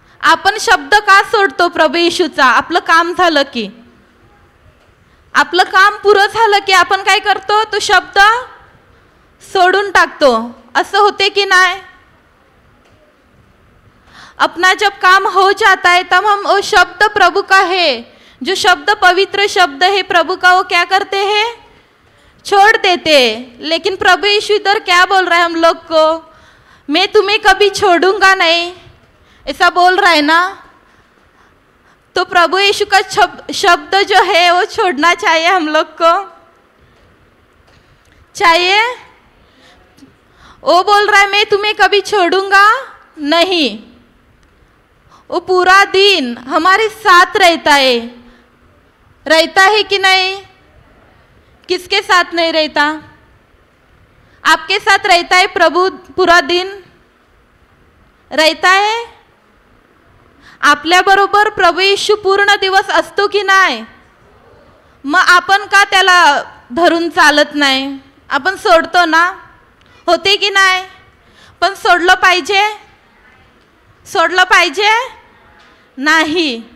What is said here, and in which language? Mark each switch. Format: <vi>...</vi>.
<mr>आपण शब्द का सोडतो प्रभू येशूचा? आपलं काम झालं की, आपलं काम पुरं झालं की आपण काय करतो? तो शब्द सोडून टाकतो, असं होते की नाही?</mr> <hi>अपना जब काम हो जाता है तब हम वो शब्द प्रभु का है, जो शब्द पवित्र शब्द है प्रभु का, वो क्या करते हैं? छोड़ देते। लेकिन प्रभु यीशु इधर क्या बोल रहा है हम लोग को? मैं तुम्हें कभी छोड़ूंगा नहीं, ऐसा बोल रहा है ना? तो प्रभु यीशु का शब्द जो है वो छोड़ना चाहिए हम लोग को, चाहिए। वो बोल रहा है मैं तुम्हें कभी छोड़ूंगा नहीं, वो पूरा दिन हमारे साथ रहता है कि नहीं? किसके साथ नहीं रहता? आपके साथ रहता है प्रभु पूरा दिन रहता है?</hi> <mr>आपल्या बरोबर प्रभु यीशू पूर्ण दिवस असतो की नाही? मग आपण का त्याला धरून चालत नाही, आपण सोडतो ना? होते की नाही? पण सोडलं पाहिजे नाही।</mr>